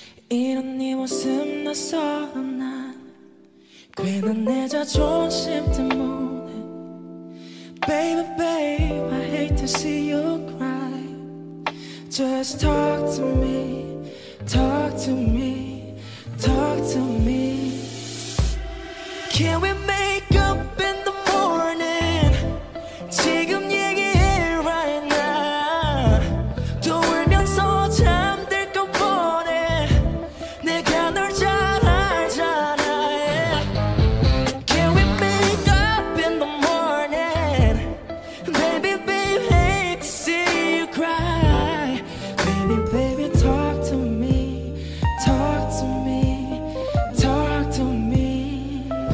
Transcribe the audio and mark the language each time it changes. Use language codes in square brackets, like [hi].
[ko] 이런 네 모습 낯설어 난 괜한 내 자존심 때문에 [en] Baby babe I hate to see you cry Just talk to me Talk to me Talk to me Can we make up in the morning? [ko] 지금 얘기해 [en] right now [ko] 또 울면서 잠들 것 뻔해 내가 널 잘 알잖아 yeah. [en] Can we make up in the morning? Baby, baby, hate to see you cry Baby, baby, talk to me Talk to me Talk to me